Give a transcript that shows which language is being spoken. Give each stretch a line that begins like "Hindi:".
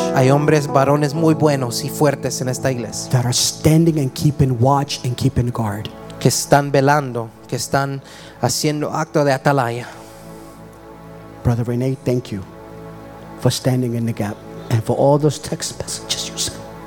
Spanish: Hay hombres varones muy buenos y fuertes en esta iglesia.
English: That are standing and keeping watch and keeping guard.
Spanish: Que están velando, que están haciendo acto de atalaya.
English: Brother Renee, thank you for standing in the gap and for all those text messages you sent.